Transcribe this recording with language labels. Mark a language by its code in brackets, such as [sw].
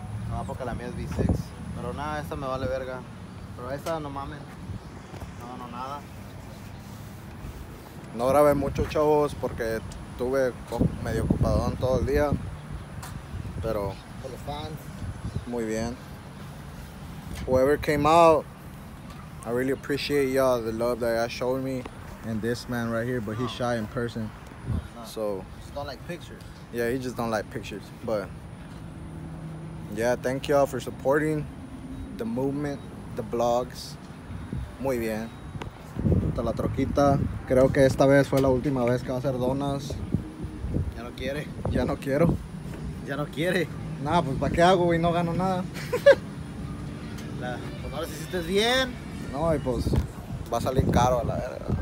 [es] No, porque la mía es V6. Pero nada, esta me vale verga. Pero esta no mames. No ganó nada. No grabé mucho, chavos, porque estuve medio ocupadón todo el día. Pero... por los fans. Muy bien. [en] Whoever came out, I really appreciate y'all, the love that y'all showed me, and this man right here, but he's shy in person, so. Just don't like pictures. Yeah, he just don't like pictures, but yeah, thank y'all for supporting the movement, the blogs. [es] Muy bien. Hasta la troquita. Creo que esta vez fue la última vez que va a hacer donas. Ya no quiere. Ya no quiero. Ya no quiere. Nah, pues ¿para qué hago, güey? No gano nada. Pues ahora si estés bien. No, y pues va a salir caro a la verga.